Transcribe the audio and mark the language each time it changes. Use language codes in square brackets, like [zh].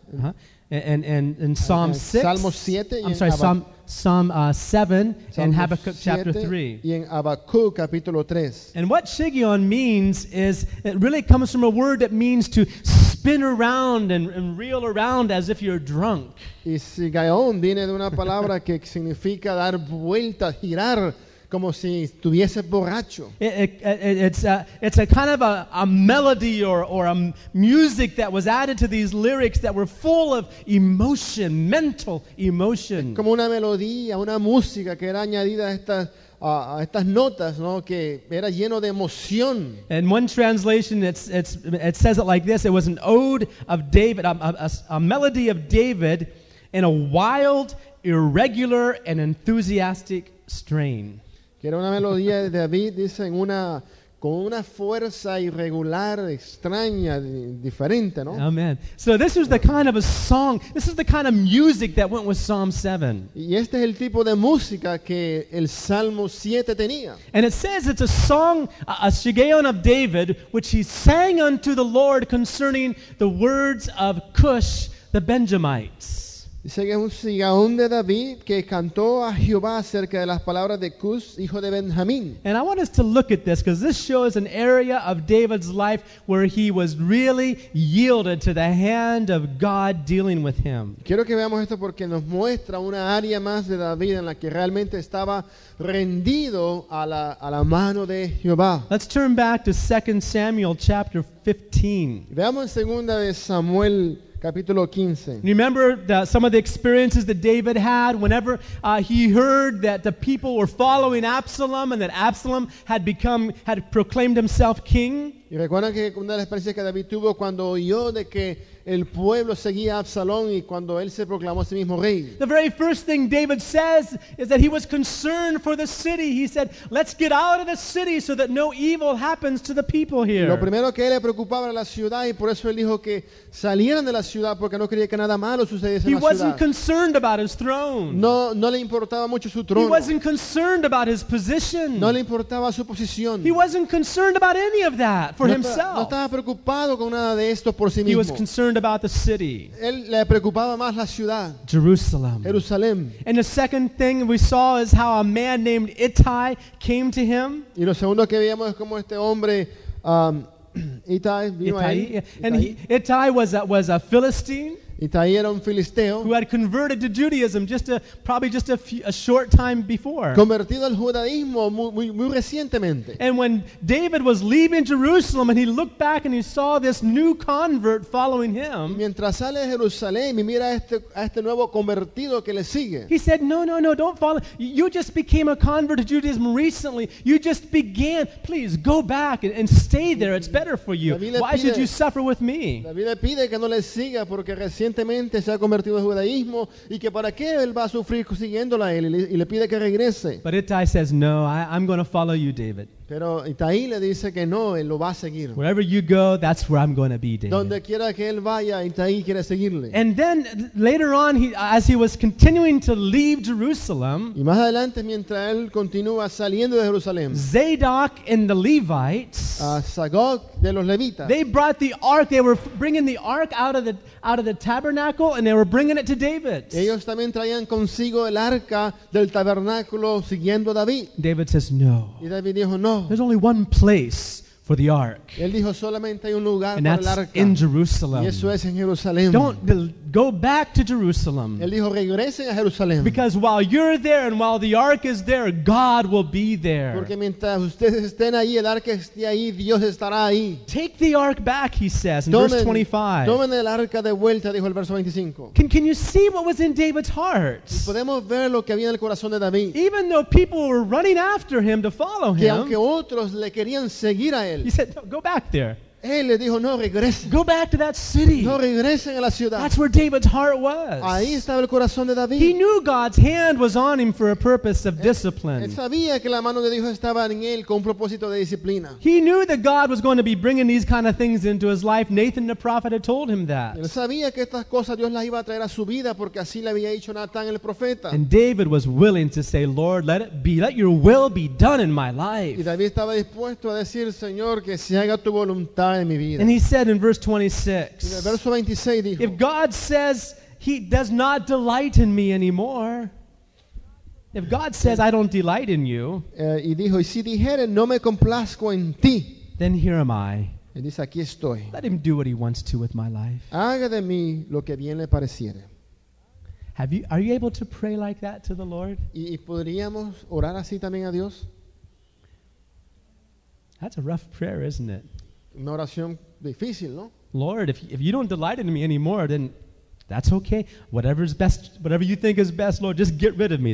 [en] Uh-huh. And in Psalm 6. [es] Salmo 7 y [en] I'm sorry, Psalm 7 and Habakkuk chapter 3. [es] Y en Habakkuk capítulo 3. [en] And what Shigeon means is, it really comes from a word that means to spin around and reel around as if you're drunk. [es] Y Shigeon viene de una palabra que significa dar vueltas, girar, como si estuviese borracho. [en] It's a kind of a melody or a music that was added to these lyrics that were full of emotion, mental emotion. [es] Como una melodía, una música que era añadida a estas notas, ¿no? Que era lleno de emoción. [en] In one translation, it says it like this: it was an ode of David, a melody of David, in a wild, irregular, and enthusiastic strain. [es] Era una melodía de David, dice, con una fuerza irregular, extraña, diferente, ¿no? [en] Amen. So this is the kind of a song, this is the kind of music that went with Psalm 7. [es] Y este es el tipo de música que el Salmo 7 tenía. [en] And it says it's a song, a Shigeon of David, which he sang unto the Lord concerning the words of Cush the Benjamites. [es] Dice que es un Shigeon de David que cantó a Jehová acerca de las palabras de Cus, hijo de Benjamín. [en] And I want us to look at this because this shows an area of David's life where he was really yielded to the hand of God dealing with him. [es] Quiero que veamos esto porque nos muestra una área más de David en la que realmente estaba rendido a la mano de Jehová. [en] Let's turn back to 2 Samuel chapter 15. [es] Veamos 2 Samuel capítulo 15. [en] Remember some of the experiences that David had whenever he heard that the people were following Absalom and that Absalom had proclaimed himself king? [es] Y recuerda que una de las experiencias que David tuvo cuando oyó de que El pueblo seguía a Absalón y cuando él se proclamó a sí mismo rey. [en] The very first thing David says is that he was concerned for the city. He said, "Let's get out of the city so that no evil happens to the people here." [es] Lo primero que él le preocupaba era la ciudad y por eso él dijo que salieran de la ciudad porque no quería que nada malo sucediese en la ciudad. [en] He wasn't concerned about his throne. [es] No le importaba mucho su trono. [en] He wasn't concerned about his position. [es] No le importaba su posición. [en] He wasn't concerned about any of that for himself. [es] No estaba preocupado con nada de esto por sí mismo. [en] He was concerned about the city. [es] Él le preocupaba más la ciudad. [en] Jerusalem. [es] Jerusalén. [en] And the second thing we saw is how a man named Ittai came to him. [es] Y lo segundo que veíamos es cómo este hombre Ittai vino a él. [en] And Ittai was a Philistine. [es] Ittai era un filisteo. [en] Who had converted to Judaism just a short time before. [es] Convertido al judaísmo muy recientemente. [en] And when David was leaving Jerusalem and he looked back and he saw this new convert following him. [es] Mientras sale de Jerusalén y mira a este nuevo convertido que le sigue. [en] He said, no, don't follow. You just became a convert to Judaism recently. You just began. Please go back and stay there. It's better for you. Why should you suffer with me? [es] David le pide que no le siga porque recientemente se ha convertido en judaísmo y que para qué él va a sufrir siguiéndola a él y le pide que regrese. [en] But Ittai says, no, I'm going to follow you, David. [es] Pero Ittai le dice que no, él lo va a seguir. [en] Wherever you go, that's where I'm going to be, David. [es] Donde quiera que él vaya, Ittai quiere seguirle. [en] And then later on, as he was continuing to leave Jerusalem, [es] y más adelante, mientras él continúa saliendo de Jerusalén, [en] Zadok and the Levites, [es] Zadok de los Levitas, [en] they brought the ark. They were bringing the ark out of the tabernacle, and they were bringing it to David. [es] Ellos también traían consigo el arca del tabernáculo siguiendo a David. [en] David says no. [es] Y David dijo, no. [en] There's only one place for the ark. [es] Él dijo, solamente hay un lugar [en] and [es] para [en] that's [es] el arca. [en] In Jerusalem. [es] Y eso es en Jerusalén. [en] Don't go back to Jerusalem. [es] Él dijo, regresen a Jerusalén. [en] Because while you're there and while the ark is there, God will be there. [es] Porque mientras ustedes estén ahí, el arca esté ahí, Dios estará ahí. [en] Take the ark back, he says, in verse 25. [es] Tomen el arca de vuelta, dijo el verso 25. [en] Can you see what was in David's heart? [es] Y podemos ver lo que había en el corazón de David. [en] Even though people were running after him to follow him. [es] Que aunque otros le querían seguir a él. [en] He said, no, go back there. [es] Él le dijo, no, regresen. [en] Go back to that city. [es] No, regresen a la ciudad. [en] That's where David's heart was. [es] Ahí estaba el corazón de David. [en] He knew God's hand was on him for a purpose of discipline. [es] Él sabía que la mano de Dios estaba en él con un propósito de disciplina. [en] He knew that God was going to be bringing these kind of things into his life. Nathan the prophet had told him that. [es] Él sabía que estas cosas Dios las iba a traer a su vida porque así le había dicho Natán el profeta. [en] And David was willing to say, Lord, let it be, let your will be done in my life. [es] Y David estaba dispuesto a decir, Señor, que se haga tu voluntad. [en] And he said in verse 26, [es] verso 26 dijo, [en] if God says he does not delight in me anymore, if God says I don't delight in you, [es] y dijo, y si dijere, no me complazco en ti, [en] then here am I. [es] Y dice, aquí estoy. [en] Let him do what he wants to with my life. [es] Haga de mí lo que bien le pareciere. [en] Are you able to pray like that to the Lord? [es] ¿Y podríamos orar así también a Dios? [en] That's a rough prayer, isn't it? [es] Una oración difícil, ¿no? [en] Lord, if you don't delight in me anymore, then that's okay. Whatever you think is best, Lord, just get rid of me.